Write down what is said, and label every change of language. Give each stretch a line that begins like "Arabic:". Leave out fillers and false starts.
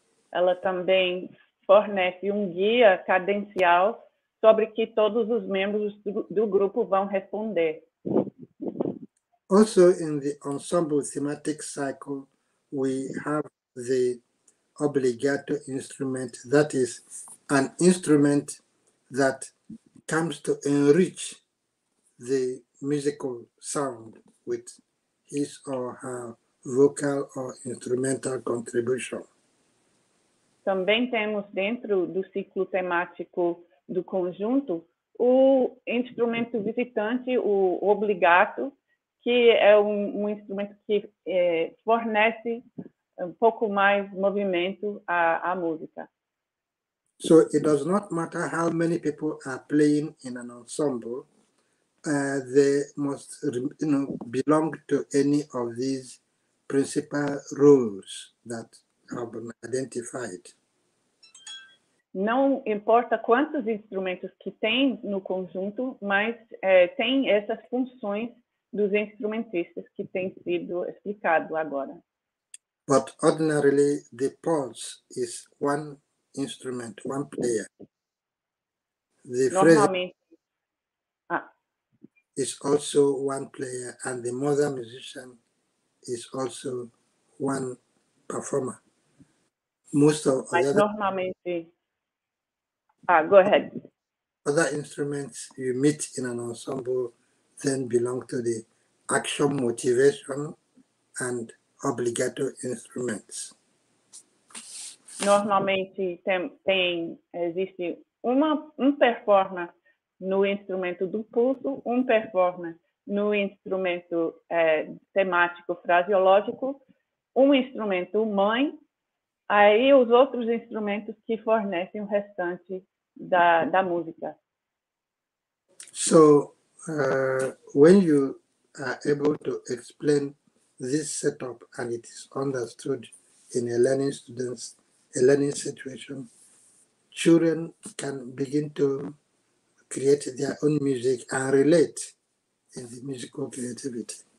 Portuguese: Ela também fornece um guia cadencial sobre que todos os membros do grupo vão responder.
English: Also in the ensemble thematic cycle, we have the obligato instrument, that is an instrument that comes to enrich the musical sound with his or her vocal or instrumental contribution.
Portuguese: Também temos dentro do ciclo temático do conjunto o instrumento visitante, o obligato, que é um instrumento que fornece um pouco mais movimento à música.
English: So it does not matter how many people are playing in an ensemble, they must, you know, belong to any of these principal roles that have been identified.
Portuguese: Não importa quantos instrumentos que tem no conjunto, mas tem essas funções dos instrumentistas que tem sido explicado agora.
English: But ordinarily the pulse is one instrument, one player. The
Portuguese: normalmente
English: is also one player, and the mother musician is also one performer. Most of
Portuguese: mas
English: other
Portuguese: normalmente
English: go ahead. Other instruments you meet in an ensemble then belong to the action, motivation, and obligato instruments.
Portuguese: Normalmente existe um performer no instrumento do pulso, um performer no instrumento temático fraseológico, um instrumento mãe, aí os outros instrumentos que fornecem o restante da música.
English: So, when you are able to explain this setup and it is understood in a learning situation, children can begin to create their own music and relate in the musical creativity.